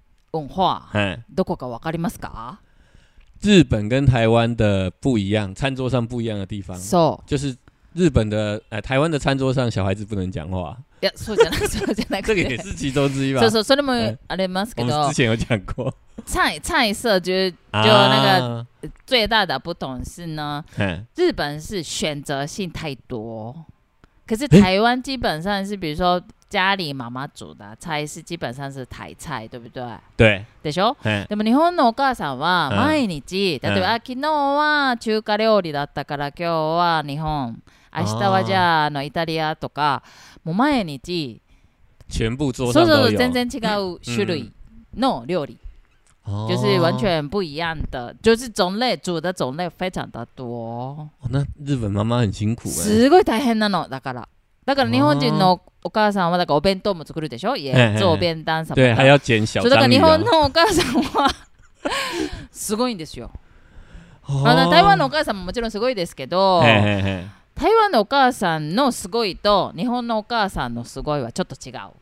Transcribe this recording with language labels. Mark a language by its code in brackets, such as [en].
[ja] 文化どこか分かりますか？ [zh] 日本跟台湾的不一样，餐桌上不一样的地方。 [ja] そう， [zh] 就是日本的台湾的餐桌上小孩子不能讲话。 [ja] いや、そうじゃない、そうじゃない。 [zh] 这个也是其中之一吧。 [ja] そうそう、それもありますけど。 [zh] 我们之前有讲过。菜色就那个最大的不同是呢，日本是选择性太多，可是台湾基本上是比如说。家里妈妈煮的菜是基本上是台菜，对不对？对， [ja] でしょ？でも日本のお母さんは毎日、例えば昨日は中華料理だったから今日は日本、明日はじゃあのイタリアとか、もう毎日、 [zh] 全部桌上都有。 [ja] そうそう、全然違う種類の料理。 [zh] 就是完全不一样的，就是种类煮的种类非常的多。那日本妈妈很辛苦耶。 [ja] すごい大変なの、だから。だから日本人のお母さんはだからお弁当も作るでしょ、 [zh] 家做便当什么的。对，还要剪小章鱼。 [ja] だから日本のお母さんはすごいんですよ。あの台湾のお母さんももちろんすごいですけど、台湾のお母さんのすごいと日本のお母さんのすごいはちょっと違う。